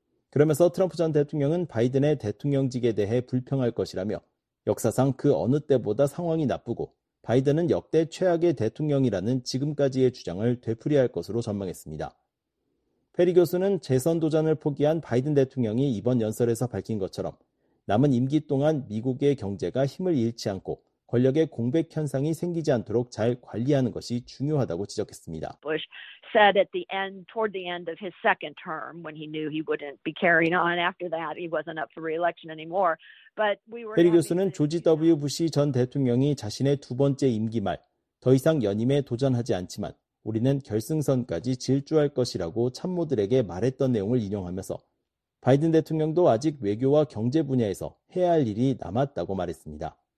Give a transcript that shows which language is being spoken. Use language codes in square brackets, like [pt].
[ko] 그러면서 트럼프 전 대통령은 바이든의 대통령직에 대해 불평할 것이라며 역사상 그 어느 때보다 상황이 나쁘고 바이든은 역대 최악의 대통령이라는 지금까지의 주장을 되풀이할 것으로 전망했습니다. 페리 교수는 재선 도전을 포기한 바이든 대통령이 이번 연설에서 밝힌 것처럼 남은 임기 동안 미국의 경제가 힘을 잃지 않고 권력의 공백 현상이 생기지 않도록 잘 관리하는 것이 중요하다고 지적했습니다. [en] Bush said at the end, toward the end of his second term, when he knew he wouldn't be carrying on after that, he wasn't up for re-election anymore. But we were. [ko] 페리 교수는 조지 W. 부시 전 대통령이 자신의 두 번째 임기 말 더 이상 연임에 도전하지 않지만 우리는 결승선까지 질주할 것이라고 참모들에게 말했던 내용을 인용하면서 바이든 대통령도 아직 외교와 경제 분야에서 해야 할 일이 남았다고 말했습니다.